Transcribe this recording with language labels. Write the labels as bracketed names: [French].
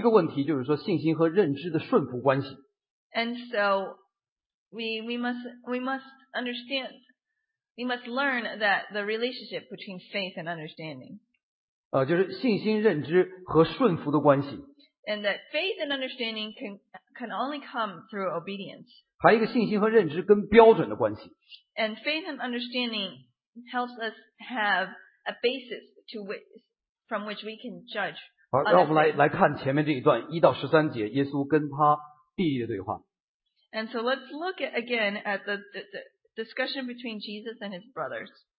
[Chinese] 所以我们今天要看两段的问题，一个问题就是说信心和认知的顺服关系。 [English] And so we must learn that the relationship between faith and understanding. [Chinese] 就是信心认知和顺服的关系。 [English] And that faith and understanding can only come through obedience. [Chinese] 还有一个信心和认知跟标准的关系。 [English] And faith and understanding helps us have a basis from which we can judge. [Chinese] 好，让我们来看前面这一段1到13节耶稣跟他弟弟的对话。 [English] And so let's look again at the discussion between Jesus and his brothers.